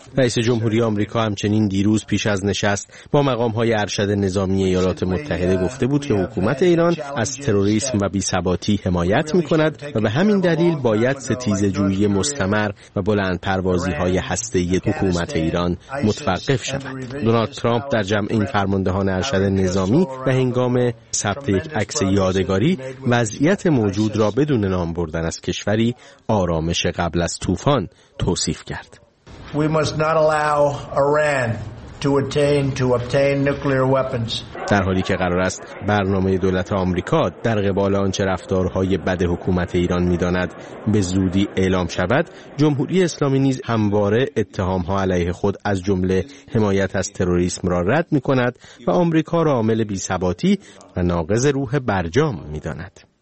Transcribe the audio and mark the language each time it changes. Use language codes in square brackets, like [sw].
[fa] رئیس جمهوری آمریکا همچنین دیروز پیش از نشست با مقام‌های ارشد نظامی ایالات متحده گفته بود که حکومت ایران از تروریسم و بی‌ثباتی حمایت می‌کند و به همین دلیل باید ستیزه‌جویی مستمر و بلند پروازی‌های هسته‌ای حکومت ایران متوقف شود. دونالد ترامپ در جمع این فرماندهان ارشد نظامی و هنگام ثبت یک عکس یادگاری وضعیت موجود را بدون نام بردن از کشوری آرامش قبل از طوفان توصیف کرد. [en] We must not allow Iran to obtain nuclear weapons. [fa] در حالی که قرار است برنامه دولت آمریکا در قبال آنچه رفتارهای بد حکومت ایران می‌داند به زودی اعلام شود، جمهوری اسلامی نیز همواره اتهام‌ها علیه خود از جمله حمایت از تروریسم را رد می‌کند و آمریکا را عامل بی‌ثباتی و ناقض روح برجام می‌داند.